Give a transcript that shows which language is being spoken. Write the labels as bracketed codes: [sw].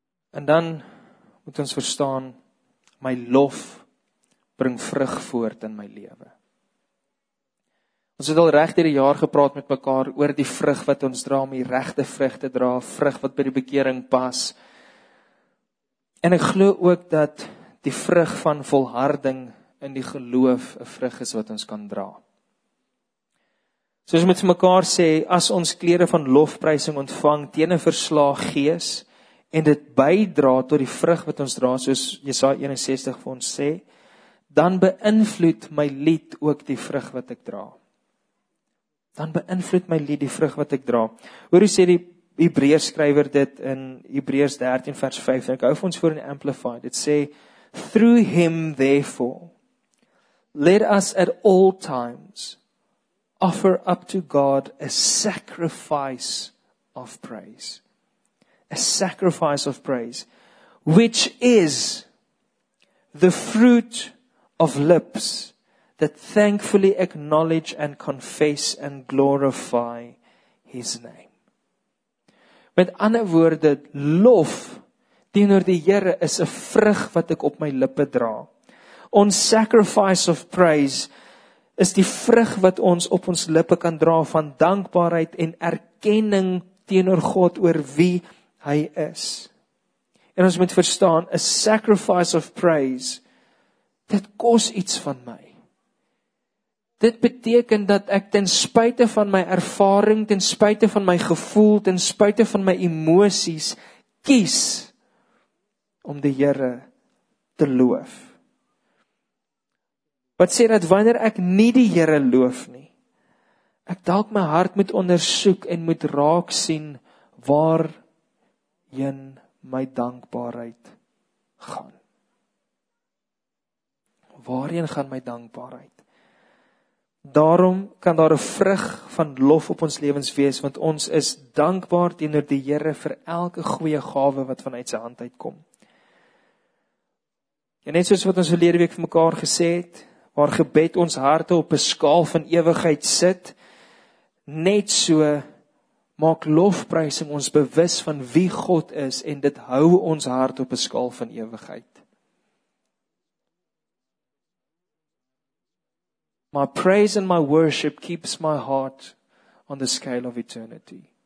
[af] En dan moet ons verstaan, my lof bring vrug voort in my lewe. Ons het al reg hierdie jaar gepraat met mekaar oor die vrug wat ons dra, om die regte vrug te dra, vrug wat by die bekering pas. En ek glo ook dat die vrug van volharding in die geloof een vrug is wat ons kan dra. Soos met mekaar sê, as ons klere van lofprysing ontvang teen een verslaag gees, en dit bydra tot die vrug wat ons dra, soos Jesaja 61 vir ons sê, dan beïnvloed my lied ook die vrug wat ek dra. Dan beïnvloed my lied die vrug wat ek dra. Hoor hoe sê die Hebreërs skrywer dit in Hebreërs 13 vers 5, en ek hou vir ons voor in Amplified, dit sê, [en] through him therefore, let us at all times offer up to God a sacrifice of praise. A sacrifice of praise, which is the fruit of lips that thankfully acknowledge and confess and glorify his name. [af] Met ander woorde, lof teenoor die Here is 'n vrug wat ek op my lippe dra. Ons [en] sacrifice of praise [af] is die vrug wat ons op ons lippe kan dra van dankbaarheid en erkenning teenoor God oor wie hy is. En ons moet verstaan, [en] a sacrifice of praise, [af] dit kos iets van my. Dit beteken dat ek ten spyte van my ervaring, ten spyte van my gevoel, ten spyte van my emosies, kies om die Here te loof. Wat sê dat wanneer ek nie die Here loof nie, ek dalk my hart moet ondersoek en moet raak sien waarheen my dankbaarheid gaan. Waarheen gaan my dankbaarheid? Daarom kan daar 'n vrug van lof op ons lewens wees, want ons is dankbaar teenoor die Here vir elke goeie gawe wat vanuit sy hand uitkom. En net soos wat ons verlede week vir mekaar gesê het, waar gebed ons harte op 'n skaal van ewigheid sit, net so maak lofprysing ons bewus van wie God is en dit hou ons hart op 'n skaal van ewigheid. [en] My praise and my worship keeps my heart on the scale of eternity.